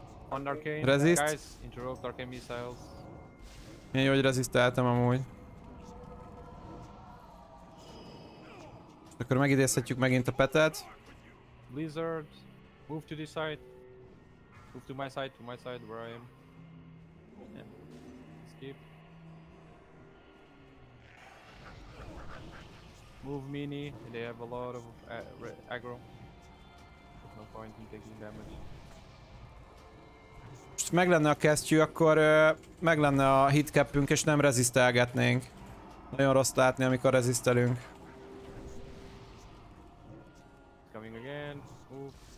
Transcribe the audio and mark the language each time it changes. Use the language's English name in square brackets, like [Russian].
[English] Undercane, resist. Guys, interrupt arcane missiles. [Hungarian] Milyen jó, hogy resisteltem amúgy. Akkor megidézhetjük megint a petet. [English] Blizzard, move to this side. Move to my side, where I am. Skip. Move mini, they have a lot of aggro. No point in taking damage. [Hungarian] Most meg lenne a kesztyű, akkor meg lenne a hitcapünk, és nem rezisztelgetnénk. Nagyon rossz látni, amikor rezisztelünk. [English] Coming again. Oof.